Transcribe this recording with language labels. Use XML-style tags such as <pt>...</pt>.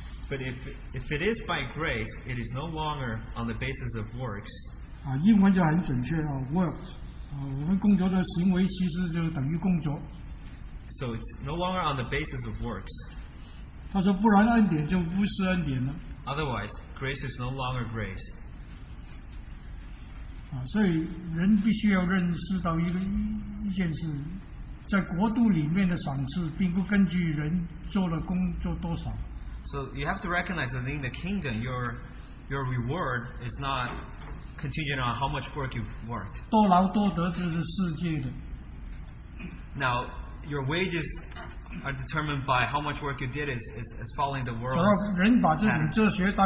<en>but if it is by grace, it is no longer on the basis of works.</en> <zh>英文就很准确啊, works. 我们工作的行为其实就等于工作。</zh> <en>So it's no longer on the basis of works.</en> <zh>他说不然恩典就不是恩典了。</zh> <en>Otherwise, grace is no longer grace.</en> <zh>所以人必须要认识到一件事。在国度里面的赏赐并不根据人做了工作多少。</zh> <en>So you have to recognize that in the kingdom your reward is not contingent on how much work you've worked.</en> <zh>多劳多得是世界的。</zh> <en>Now your wages are determined by how much work you did is following the world's pattern.</en>